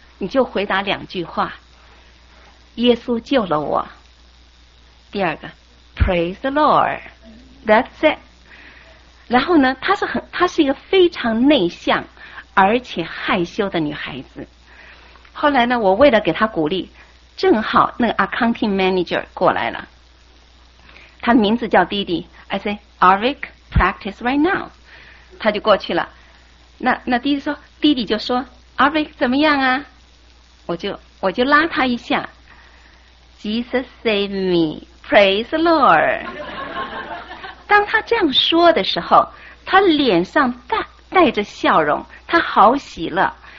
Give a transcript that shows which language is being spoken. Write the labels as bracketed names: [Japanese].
[Chinese] 你就回答两句话，耶稣救了我，第二个 praise the Lord， that's it。然后呢她是一个非常内向而且害羞的女孩子。后来呢我为了给她鼓励，正好那个 accounting manager 过来了，她的名字叫弟弟。 [English] I say Arvik practice right now，她就过去了。 [Chinese] 那弟弟就说 Arvik 怎么样啊，我就拉他一下， Jesus save me praise the Lord。当他这样说的时候，他脸上带着笑容，他好喜乐。